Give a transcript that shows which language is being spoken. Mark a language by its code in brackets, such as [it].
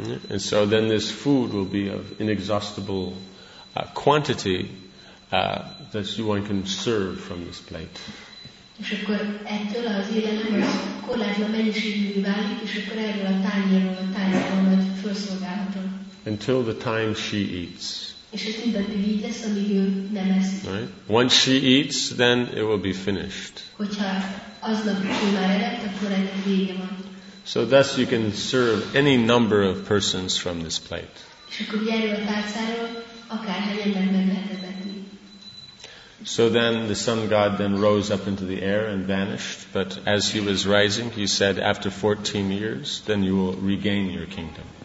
[en] And so then this food will be of inexhaustible quantity that one can serve from this plate. [hu] És akkor ettől az élelemhez korlátlan mennyiségű válik, és akkor erről a tányérról a tányérról majd felszolgálhatom. [en] Until the time she eats. [hu] És ez mindaddig így lesz, amíg ő nem eszik. [en] Right? Once she eats, then it will be finished. [hu] Hogyha aznap ő már evett, akkor ennek vége van. [en] So thus you can serve any number of persons from this plate. [hu] És akkor erről a tárcáról akárhány ember meg lehet evetni. [en] So then the sun god then rose up into the air and vanished, but as he was rising, he said, after 14 years, then you will regain your kingdom.